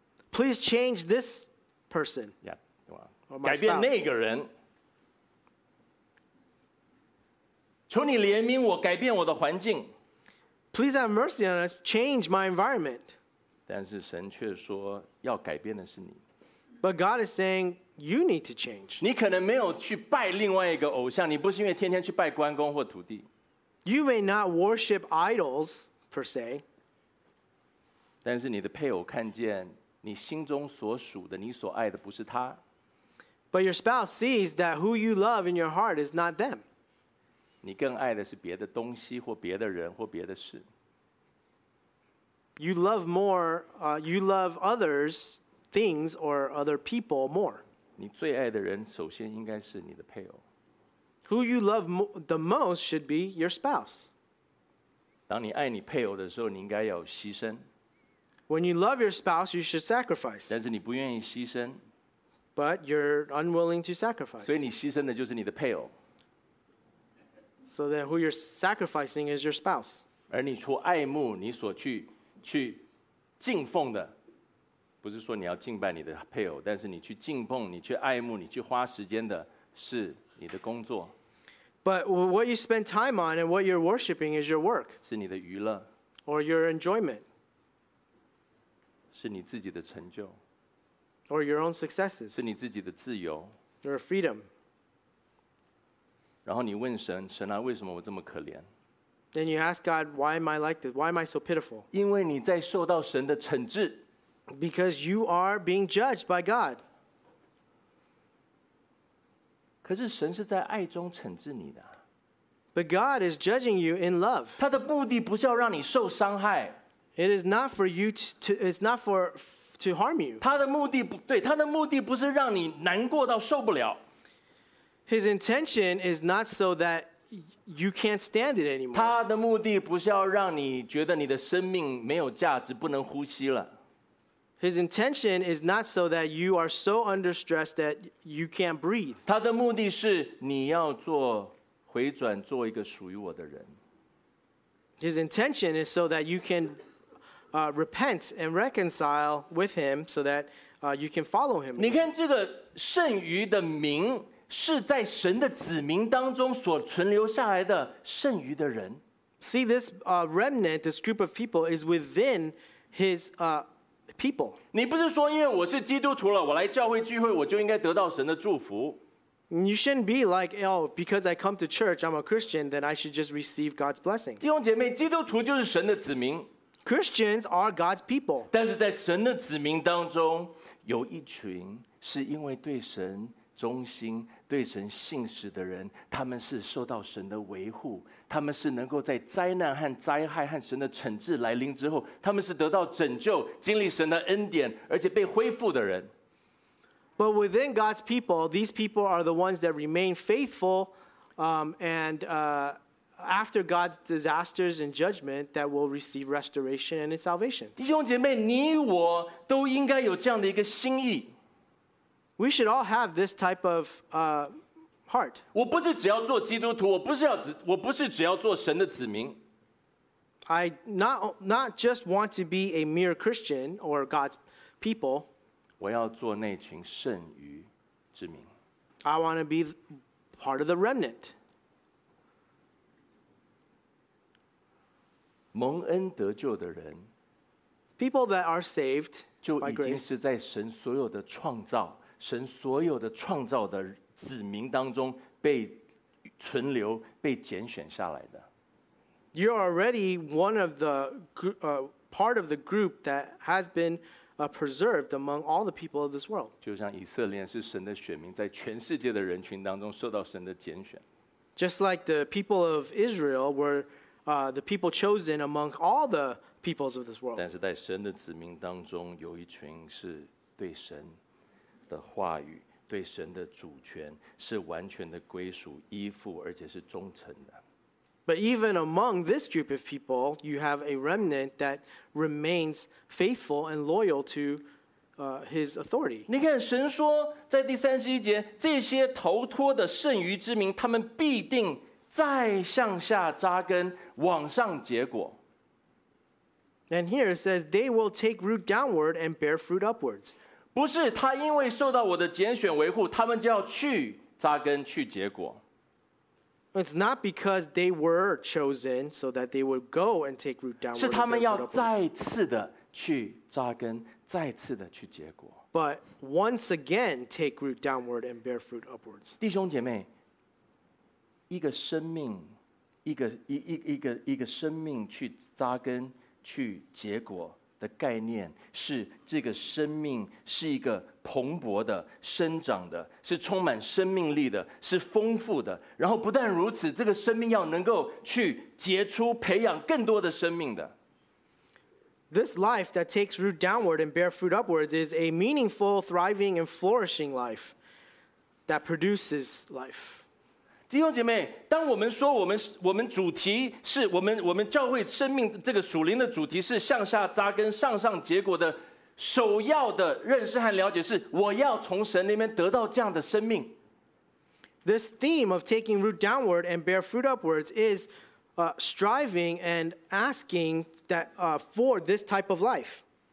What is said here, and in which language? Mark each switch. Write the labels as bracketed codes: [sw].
[en] Please change this person. Yeah. Or my spouse. [zh] 改变那个人。求你怜悯我，改变我的环境。 [en] Please have mercy on us, change my environment. [zh] 但是神却说，要改变的是你。 [en] But God is saying you need to change. [zh] 你可能没有去拜另外一个偶像，你不是因为天天去拜关公或土地。 [en] You may not worship idols per se. [zh] 但是你的配偶看见你心中所属的、你所爱的不是他。 [en] But your spouse sees that who you love in your heart is not them. [zh] 你更爱的是别的东西或别的人或别的事。 [en] You love more, you love others, things or other people more. [zh] 你最爱的人首先应该是你的配偶。 [en] Who you love the most should be your spouse. [zh] 当你爱你配偶的时候，你应该要牺牲。 [en] When you love your spouse, you should sacrifice. [zh] 但是你不愿意牺牲。 [en] But you're unwilling to sacrifice. [zh] 所以你牺牲的就是你的配偶。 [en] So then who you're sacrificing is your spouse. [zh] 而你除爱慕你所去敬奉的，不是说你要敬拜你的配偶，但是你去敬奉、你去爱慕、你去花时间的是你的工作。 [en] But what you spend time on and what you're worshiping is your work. [zh] 是你的娱乐。 [en] Or your enjoyment. [zh] 是你自己的成就。 [en] Or your own successes. [zh] 是你自己的自由。 [en] Your freedom. [zh] 然后你问神，神啊，为什么我这么可怜？ [en] Then you ask God, why am I like this? Why am I so pitiful? [zh] 因为你在受到神的惩治。 [en] Because you are being judged by God. [zh] 可是神是在爱中惩治你的。 [en] But God is judging you in love. [zh] 他的目的不是要让你受伤害。 [en] It is not for you to, it's not for to harm you. [zh] 他的目的不对，他的目的不是让你难过到受不了。 [en] His intention is not so that you can't stand it anymore. [zh] 他的目的不是要让你觉得你的生命没有价值，不能呼吸了。 [en] His intention is not so that you are so under stress that you can't breathe. [zh] 他的目的是你要做回转，做一个属于我的人。 [en] His intention is so that you can repent and reconcile with him so that you can follow him. [zh] 你看这个剩余的名是在神的子民当中所存留下来的剩余的人。 [en] See this remnant, this group of people is within his people. [zh] 你不是说因为我是基督徒了，我来教会聚会我就应该得到神的祝福。 [en] You shouldn't be like, oh, because I come to church, I'm a Christian, then I should just receive God's blessing. [zh] 弟兄姐妹，基督徒就是神的子民。 [en] Christians are God's people. [zh] 但是在神的子民当中，有一群是因为对神忠心对神信实的人，他们是受到神的维护，他们是能够在灾难和灾害和神的惩治来临之后，他们是得到拯救，经历神的恩典，而且被恢复的人。 [en] But within God's people, these people are the ones that remain faithful, and after God's disasters and judgment, that will receive restoration and salvation. [zh] 弟兄姐妹，你我都应该有这样的一个心意。 [en] We should all have this type of heart. [zh] 我不是只要做基督徒，我不是只要做神的子民。 [en] I not just want to be a mere Christian or God's people. [zh] 我要做那群剩余之民。 [en] I want to be part of the remnant. [zh] 蒙恩得救的人。 [en] People that are saved by grace. [zh] 就已经是在神所有的创造。神所有的创造的子民当中被存留被拣选下来的。 [en] You're already one of the part of the group that has been preserved among all the people of this world. [zh] 就像以色列是神的选民，在全世界的人群当中受到神的拣选。 [en] Just like the people of Israel were the people chosen among all the peoples of this world. [zh] 但是在神的子民当中，有一群是对神的话语、对神的主权是完全的归属、依附，而且是忠诚的。 [en] But even among this group of people, you have a remnant that remains faithful and loyal to his authority. [zh] 你看神说在第三十一节，这些逃脱的剩余之民，他们必定再向下扎根，往上结果。 [en] And here it says, they will take root downward and bear fruit upwards. [zh] 不是他因为受到我的拣选维护，他们就要去扎根，去结果。 [en] It's not because they were chosen so that they would go and take root downward. [zh] 是他们要再次的去扎根，再次的去结果。 [en] But once again, take root downward and bear fruit upwards. [zh] 弟兄姐妹，一个生命，一个生命去扎根、去结果的概念，是这个生命是一个蓬勃的生长的，是充满生命力的，是丰富的。然后不但如此，这个生命要能够去结出培养更多的生命的。 [en] This life that takes root downward and bear fruit upwards is a meaningful, thriving, and flourishing life that produces life. [zh] 弟兄姐妹，当我们说我们主题是我们教会生命这个属灵的主题是向下扎根、向上结果的。首要的认识和了解是，我要从神那边得到这样的生命。 [en] This theme of taking root downward and bear fruit upwards is striving and asking that for this type of life.